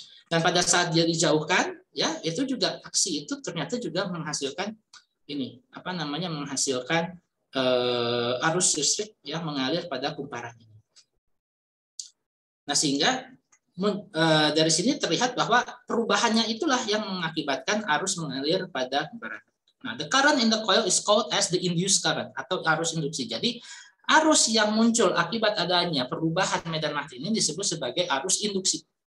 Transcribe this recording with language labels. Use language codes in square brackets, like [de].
[id] Dan pada saat dia dijauhkan, ya itu juga aksi itu ternyata juga menghasilkan ini apa namanya, menghasilkan arus listrik yang mengalir pada kumparan ini. Nah, sehingga dari sini terlihat bahwa perubahannya itulah yang mengakibatkan arus mengalir pada kumparan. [en] Nah, the current in the coil is called as the induced current [id] atau arus induksi. Jadi arus yang muncul akibat adanya perubahan medan magnet ini disebut sebagai arus induksi.